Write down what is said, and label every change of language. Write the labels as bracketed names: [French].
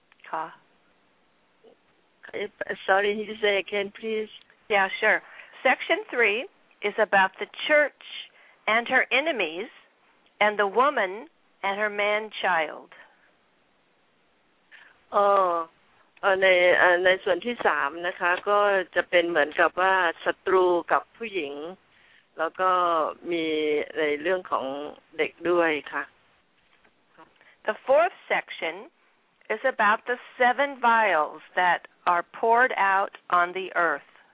[English] Ka. Sorry, can you say again, please? Yeah, sure. Section 3 is about the church and her enemies, and the woman and her man-child. Oh. [Thai] ในส่วนที่สามนะคะก็จะเป็นเหมือนกับว่าศัตรูกับผู้หญิงแล้วก็มีในเรื่องของเด็กด้วยค่ะ [English] The fourth section is about the seven vials that are poured out on the earth.